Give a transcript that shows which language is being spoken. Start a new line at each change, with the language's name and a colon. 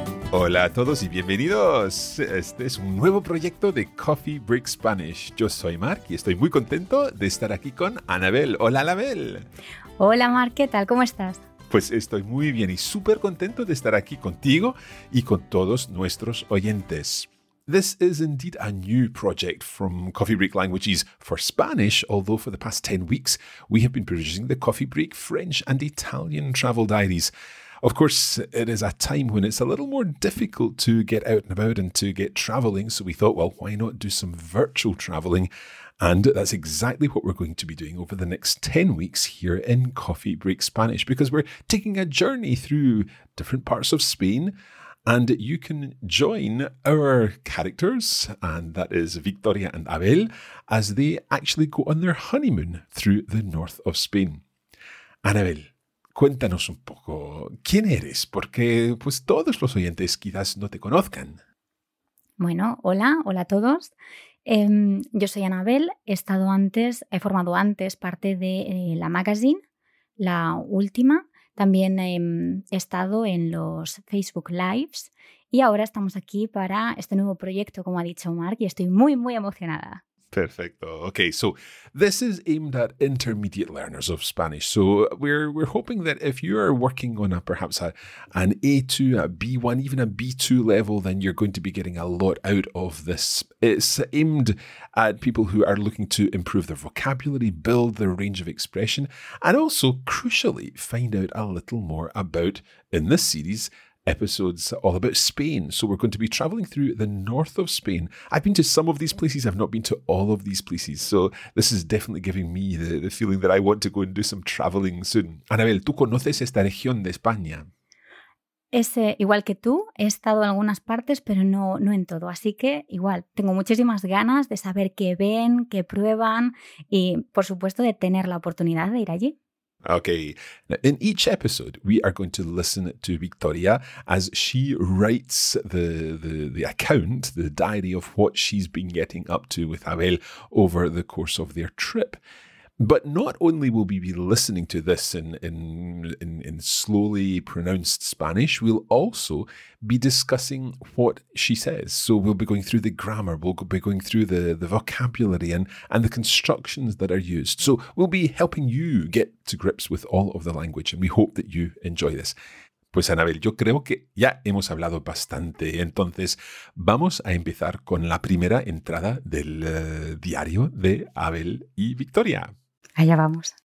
Spanish: Hola a todos y bienvenidos. Este es un nuevo proyecto de Coffee Break Spanish. Yo soy Marc y estoy muy contento de estar aquí con Anabel. Hola, Anabel. Hola, Marc. ¿Qué tal? ¿Cómo estás? Pues estoy muy bien y súper contento de estar aquí contigo y con todos nuestros oyentes.
English: This is indeed a new project from Coffee Break Languages for Spanish, although for the past 10 weeks, we have been producing the Coffee Break French and Italian travel diaries. Of course, it is a time when it's a little more difficult to get out and about and to get traveling, so we thought, well, why not do some virtual traveling? And that's exactly what we're going to be doing over the next 10 weeks here in Coffee Break Spanish, because we're taking a journey through different parts of Spain. And you can join our characters, and that is Victoria and Abel, as they actually go on their honeymoon through the north of Spain.
Spanish: Anabel, cuéntanos un poco, ¿quién eres? Porque pues todos los oyentes quizás no te conozcan. Bueno, hola a todos. Yo soy Anabel, he formado antes parte de la magazine, la última. También he estado en los Facebook Lives y ahora estamos aquí para este nuevo proyecto, como ha dicho Marc, y estoy muy, muy emocionada. Perfecto.
English: Okay, so this is aimed at intermediate learners of Spanish. So we're hoping that if you are working on an A2, a B1, even a B2 level, then you're going to be getting a lot out of this. It's aimed at people who are looking to improve their vocabulary, build their range of expression, and also, crucially, find out a little more about, in this series, episodes all about Spain. So we're going to be traveling through the north of Spain. I've been to some of these places, I've not been to all of these places. So this is definitely giving me the feeling that I want to go and do some traveling soon.
Spanish: Anabel, ¿tú conoces esta región de España? Igual que tú, he estado en algunas partes, pero no en todo. Así que igual, tengo muchísimas ganas de saber qué ven, qué prueban y, por supuesto, de tener la oportunidad de ir allí.
English: Okay, now, in each episode, we are going to listen to Victoria as she writes the account, the diary of what she's been getting up to with Abel over the course of their trip. But not only will we be listening to this in slowly pronounced Spanish, we'll also be discussing what she says. So we'll be going through the grammar, we'll be going through the vocabulary and the constructions that are used. So we'll be helping you get to grips with all of the language, and we hope that you enjoy this.
Spanish: Pues Anabel, yo creo que ya hemos hablado bastante. Entonces, vamos a empezar con la primera entrada del diario de Abel y Victoria. Allá vamos.